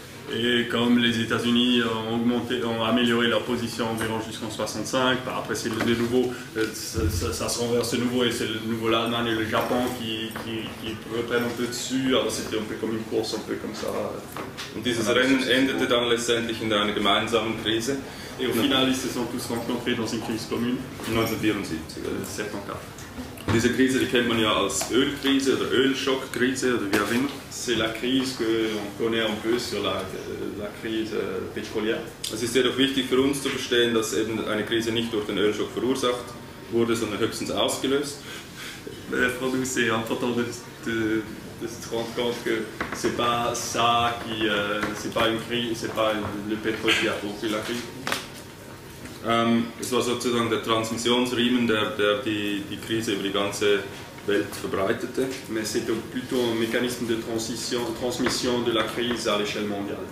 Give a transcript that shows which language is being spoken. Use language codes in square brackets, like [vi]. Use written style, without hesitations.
[fr] Et comme les États-Unis ont amélioré leur position environ jusqu'en 65, bah après c'est de nouveau, ça se renverse de nouveau et c'est de nouveau l'Allemagne et le Japon qui reprennent un peu dessus, alors c'était un peu comme une course, un peu comme ça. [de] Und dieses Rennen endete dann letztendlich in einer gemeinsamen Krise. [fr] Et au final, ils se sont tous rencontrés dans une crise commune. [de] 1974. Diese Krise, die kennt man ja als Ölkrise oder Ölschockkrise oder wie auch immer. [fr] C'est la crise que on connaît un peu sur la crise pétrolière. [de] Es ist jedoch wichtig für uns zu verstehen, dass eben eine Krise nicht durch den Ölschock verursacht wurde, sondern höchstens ausgelöst. [fr] Pour nous, c'est important de se rendre compte que c'est pas ça qui, c'est pas une crise, c'est pas le pétrole qui a provoqué la crise. [de] Es war sozusagen der Transmissionsriemen, der die Krise über die ganze Welt verbreitete. [fr] Mais c'était plutôt un mécanisme de transmission de la crise à l'échelle mondiale.